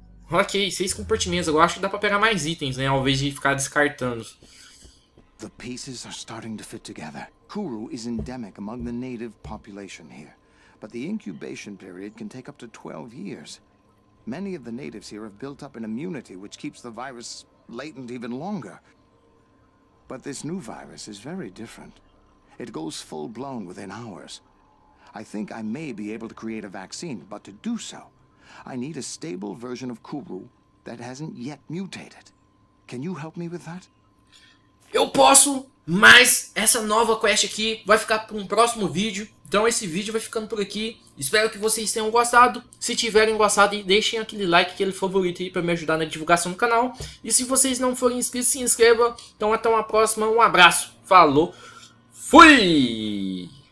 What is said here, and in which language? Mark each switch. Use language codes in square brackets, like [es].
[pt] Ok, 6 compartimentos. Agora acho que dá para pegar mais itens, né? Ao invés de ficar descartando. [en] The pieces are starting to fit together. Kuru is endemic among the native population here, but the incubation period can take up to 12 years. Many of the natives here have built up an immunity which keeps the virus latent even longer. But this new virus is very different. It goes full-blown within hours. I think I may be able to create a vaccine, but to do so, I need a stable version of Kuru that hasn't yet mutated. Can you help me with that? [pt] Eu posso, mas essa nova quest aqui vai ficar para um próximo vídeo. Então esse vídeo vai ficando por aqui. Espero que vocês tenham gostado. Se tiverem gostado, deixem aquele like, aquele favorito aí para me ajudar na divulgação do canal. E se vocês não forem inscritos, se inscrevam. Então até uma próxima. Um abraço. Falou. Fui!